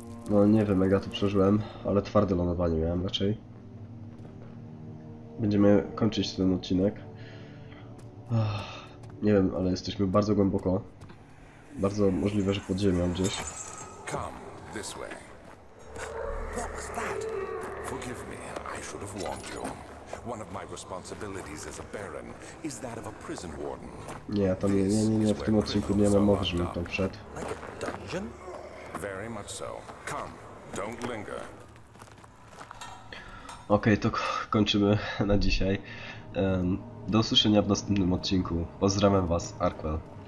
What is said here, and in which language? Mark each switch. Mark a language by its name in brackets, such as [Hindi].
[Polish] No nie wiem, jak ja tu przeżyłem, ale twarde lądowanie miałem raczej. Będziemy kończyć ten odcinek. Nie wiem, ale jesteśmy bardzo głęboko. Bardzo możliwe, że pod ziemią gdzieś. [English] Come this way. What was that? Forgive me, I should have warned you. One of my responsibilities as a baron is that of a prison warden. [Polish] Nie, tam nie w tym odcinku nie mam mowy, żebym tam wszedł. [English] Like a dungeon? Very much so. Come, don't linger. [Polish] Okej, to kończymy na dzisiaj. Do usłyszenia w następnym odcinku. Pozdrawiam was, Arkwell.